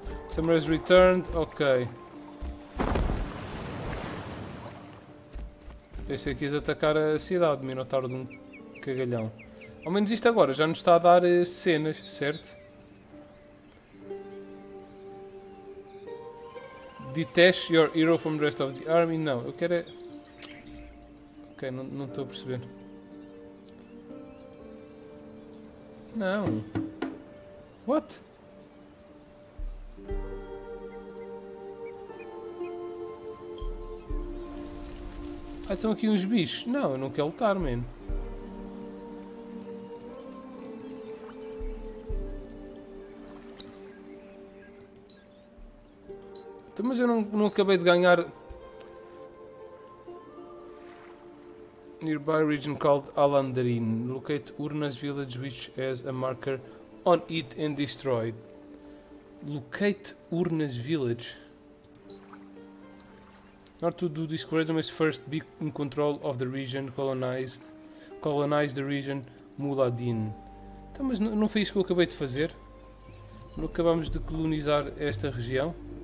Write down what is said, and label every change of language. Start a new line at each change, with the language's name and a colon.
English: Summer has returned. Ok.
Portuguese: Pensei que ia atacar a cidade, minotauro de um cagalhão. Ao menos isto agora já nos está a dar cenas, certo?
English: Detach your hero from the rest of the army.
Portuguese: Não, eu quero é... Ok, não estou a perceber. Não.
English: What?
Portuguese: Ah, estão aqui uns bichos. Não, eu não quero lutar, man. Mas eu não acabei de ganhar.
English: Nearby region called Alandarin. Locate Urna's village which has a marker on it and destroyed. Locate Urna's village. Not to do this corridor must first be in control of the region colonized. Colonize the region Muladin.
Portuguese: Então, mas não foi isso que eu acabei de fazer? Não acabamos de colonizar esta região?